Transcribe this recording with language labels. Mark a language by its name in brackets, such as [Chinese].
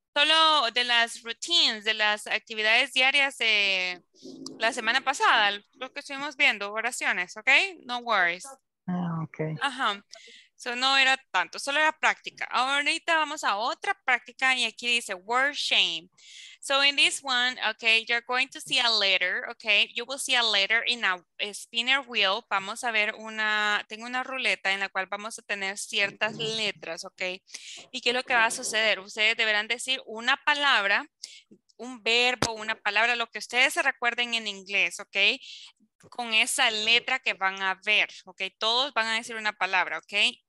[Spanish] solo de las routines, de las actividades diarias de la semana pasada, lo que estuvimos viendo, oraciones, ¿ok? [English] No worries. [Spanish] Ah, ok. Ajá. So no era tanto, solo era práctica. Ahorita vamos a otra práctica y aquí dice word shame. [English] So in this one, okay, you're going to see a letter, okay? You will see a letter in a spinner wheel. [Spanish] Vamos a ver una, tengo una ruleta en la cual vamos a tener ciertas letras, okay? ¿Y qué es lo que va a suceder? Ustedes deberán decir una palabra, un verbo, una palabra, lo que ustedes se recuerden en inglés, okay? Con esa letra que van a ver, okay? Todos van a decir una palabra, okay?